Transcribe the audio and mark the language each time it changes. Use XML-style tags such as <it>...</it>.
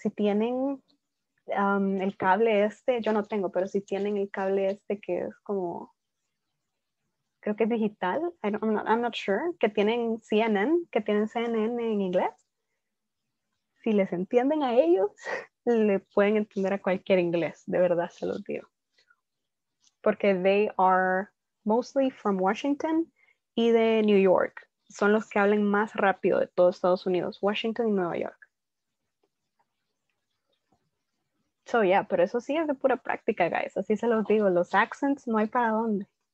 <es>Si tienen el cable este, yo no tengo, pero si tienen el cable este que es como, creo que es digital,</es> <en>I'm not sure,</en> <es>que tienen CNN, que tienen CNN en inglés. Si les entienden a ellos, le pueden entender a cualquier inglés, de verdad se los digo.</es> <en>Porque they are mostly from Washington y de New York.</en> <es>Son los que hablan más rápido de todos Estados Unidos, Washington y Nueva York.</es> <en>So yeah,</en> <es>pero eso sí es de pura práctica, guys. Así se los digo, los accents no hay para dónde.</es>